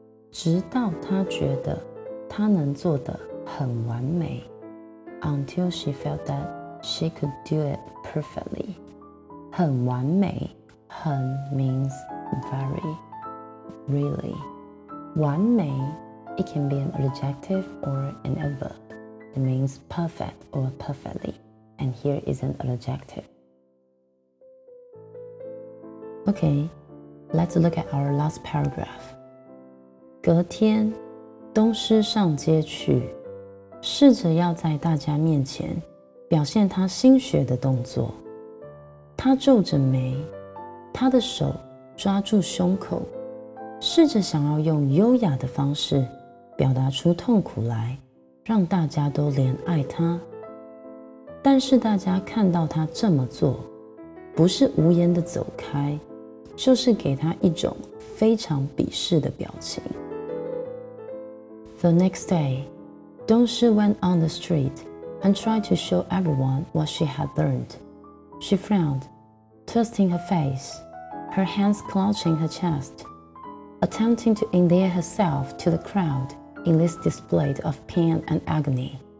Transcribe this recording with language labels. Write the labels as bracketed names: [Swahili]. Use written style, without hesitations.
[Chinese] 直到他觉得他能做得很完美。 [English] Until she felt that she could do it perfectly. [Chinese] 很完美。 [English] 很 means very. Really. 完美, it can be an adjective or an adverb. It means perfect or perfectly. And here is an adjective. Okay, let's look at our last paragraph. [Chinese] 隔天,东施上街去,试着要在大家面前表现他新学的动作。他皱着眉,他的手抓住胸口。试着想要用优雅的方式表达出痛苦来，让大家都怜爱他。但是大家看到他这么做，不是无言的走开，就是给他一种非常鄙视的表情。 [English] The next day, Dong Shi went on the street and tried to show everyone what she had learned. She frowned, twisting her face, her hands clutching her chest. Attempting to endear herself to the crowd in this display of pain and agony.